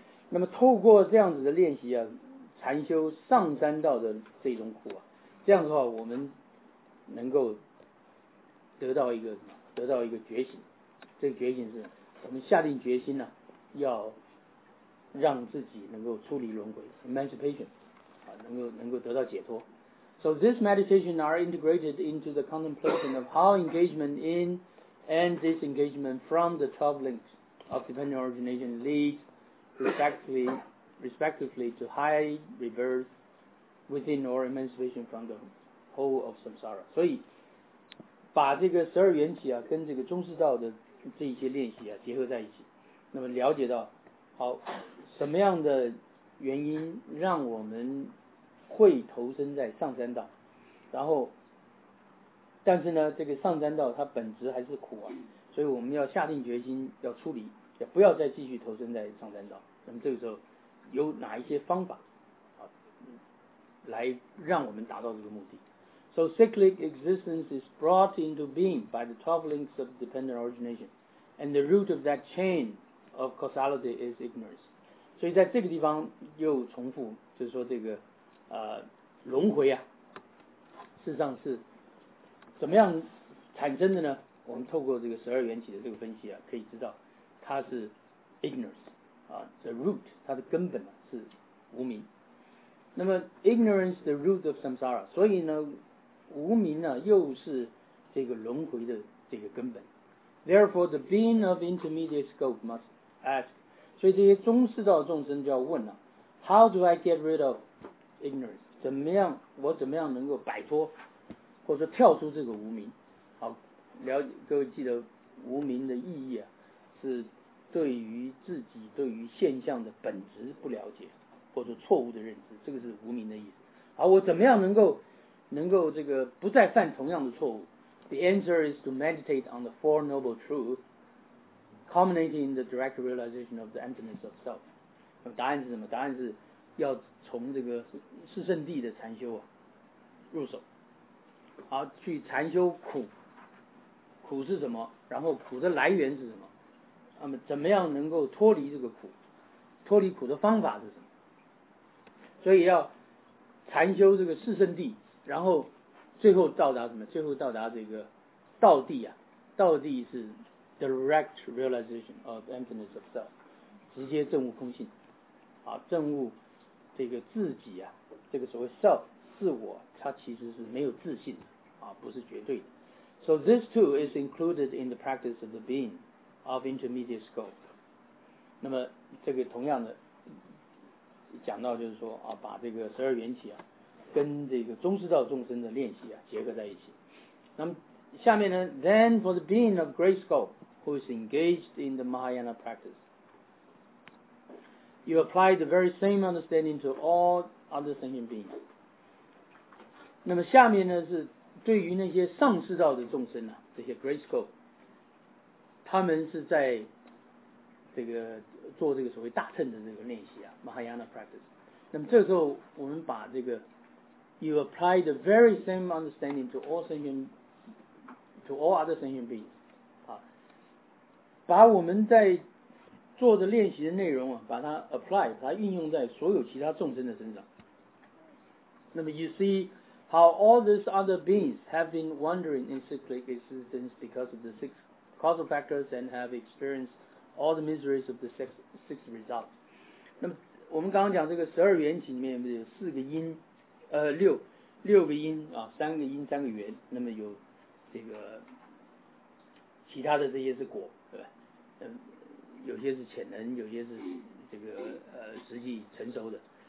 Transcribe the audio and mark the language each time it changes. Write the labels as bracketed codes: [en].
[zh] 那么透过这样子的练习啊。禅修上三道的这种苦啊，这样的话我们能够得到一个觉醒，这个觉醒是我们下定决心呢、啊，要让自己能够出离轮回 emancipation 啊，能够得到解脱。 [en] So this meditation are integrated into the contemplation of how engagement in and disengagement from the 12 links of dependent origination leads respectively to high rebirth within or emancipation from the whole of samsara. [zh] 所以把这个十二缘起啊跟这个中士道的这一些练习啊结合在一起，那么了解到好什么样的原因让我们会投身在上三道，然后但是呢这个上三道它本质还是苦啊，所以我们要下定决心要出离，也不要再继续投身在上三道。那么这个时候有哪一些方法啊来让我们达到这个目的。 [en] So cyclic existence is brought into being by the 12 links of dependent origination, and the root of that chain of causality is ignorance. [zh] 所以在这个地方又重复，就是说这个轮回啊，事实上是怎么样产生的呢？我们透过这个十二缘起的这个分析啊，可以知道它是 ignorance 啊 ， [en] the root [zh] 它的根本呢、啊、是无明。 [en] 那么 ignorance the root of samsara， 所以呢。 [zh] 无明呢、啊，又是这个轮回的这个根本。 [en] Therefore, the being of intermediate scope must ask. [zh] 所以这些中士道众生就要问了、啊、： [en] How do I get rid of ignorance? [zh] 怎么样，我怎么样能够摆脱，或者说跳出这个无明？好，了解，各位记得无明的意义啊，是对于自己对于现象的本质不了解，或者错误的认知，这个是无明的意思。好，我怎么样能够这个不再犯同样的错误。 [en] The answer is to meditate on the Four Noble Truths, culminating in the direct realization of the emptiness of self. [zh] 那答案是什么？答案是要从这个四圣谛的禅修啊入手，好去禅修苦，苦是什么？然后苦的来源是什么？那么怎么样能够脱离这个苦？脱离苦的方法是什么？所以要禅修这个四圣谛。然后最后到达什么？最后到达这个道地啊，道地是 [en] direct realization of emptiness of self， [zh] 直接证悟空性，啊，证悟这个自己啊，这个所谓 self 自我，它其实是没有自信啊，不是绝对的。 [en] So this too is included in the practice of the being of intermediate scope。 [zh] 那么这个同样的讲到就是说啊，把这个十二缘起啊。跟这个中士道众生的练习啊结合在一起。那么下面呢 [en] ，Then for the being of great scope who is engaged in the Mahayana practice, you apply the very same understanding to all other sentient beings. [zh] 那么下面呢是对于那些上士道的众生啊，这些 great scope， 他们是在这个做这个所谓大乘的这个练习啊 ，Mahayana practice。那么这时候我们把这个 [en] You apply the very same understanding to all other sentient beings. [zh] 把我们在做的练习的内容啊，把它 apply， 把它运用在所有其他众生的身上。 [en] 那么 you see how all these other beings have been wandering in cyclic existence because of the six causal factors and have experienced all the miseries of the six results. [zh] 那么我们刚刚讲这个十二缘起里面有四个因。六个音啊，三个音，三个圆，那么有这个其他的这些是果，对吧？有些是潜能，有些是这个实际成熟的。